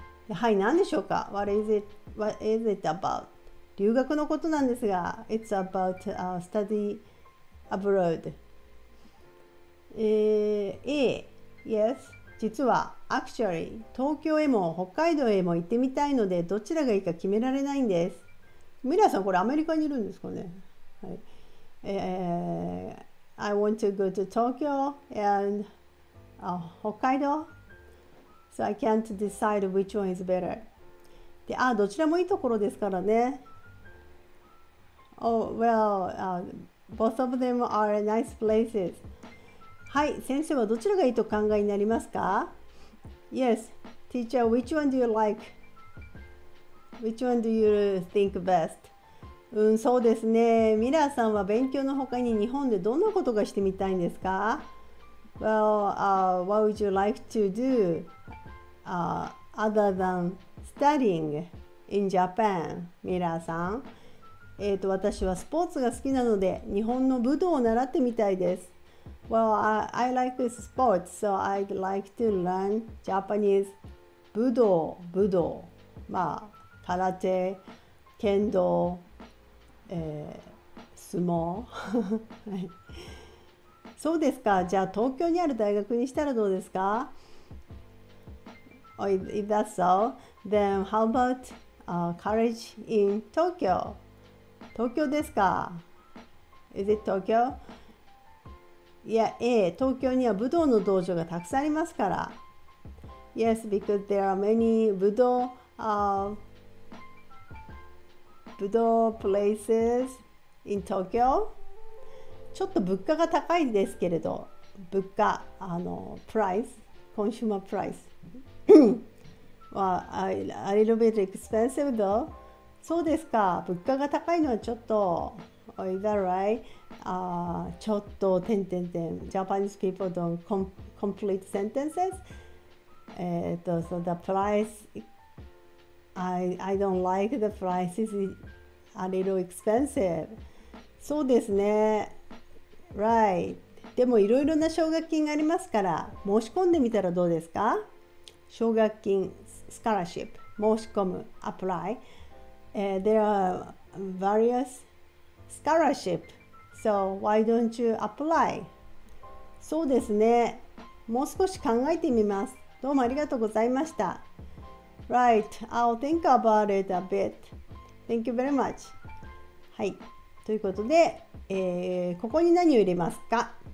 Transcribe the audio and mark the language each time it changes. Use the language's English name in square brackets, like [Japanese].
[Japanese] はい、何でしょうか [English] What is it about? [Japanese] 留学のことなんですが、 [English] It's about study abroad. [Japanese] Yes, 実は actually 東京へも北海道へも行ってみたいので、どちらがいいか決められないんです。ミラさん、これアメリカにいるんですかね。 [English] はい、I want to go to Tokyo and Hokkaido, so I can't decide which one is better. [Japanese] で、あ、どちらもいいところですからね。 [English] Oh, well, both of them are nice places. [Japanese] はい、先生はどちらがいいと考えになりますか? [English] Yes, teacher, which one do you like? Which one do you think best? [Japanese] うん、そうですね。ミラーさんは勉強の他に日本でどんなことがしてみたいんですか? [English] Well, what would you like to do other than studying in Japan, ミラーさん? [Japanese] 私はスポーツが好きなので、日本の武道を習ってみたいです。 [English] Well, I like sports, so I'd like to learn Japanese 武道、武道。 [Japanese] まあ、空手、剣道、相撲。そうですか。じゃあ、東京にある大学にしたらどうですか? [English] Oh, if that's so, then how about college in Tokyo? [Japanese] 東京ですか? [English] Is it Tokyo? [Japanese] Yeah, 東京には武道の道場がたくさんありますから。 [English] Yes, because there are many 武道 places in Tokyo. [Japanese] ちょっと物価が高いんですけれど、物価、price, consumer price. [English] Well, a little bit expensive though. [Japanese] そうですか。物価が高いのはちょっと、 [English] Is that right? [Japanese] ちょっと、てんてんてん。 [English] Japanese people don't complete sentences. So the price, I don't like the price is a little expensive. [Japanese] そうですね。Right. でもいろいろな奨学金がありますから、申し込んでみたらどうですか? 奨学金、scholarship、申し込む、apply. [English] There are various scholarships, so why don't you apply? [Japanese] そうですね。もう少し考えてみます。どうもありがとうございました。 [English] Right, I'll think about it a bit. Thank you very much. はい。 [Japanese] ということで、ここに何を入れますか?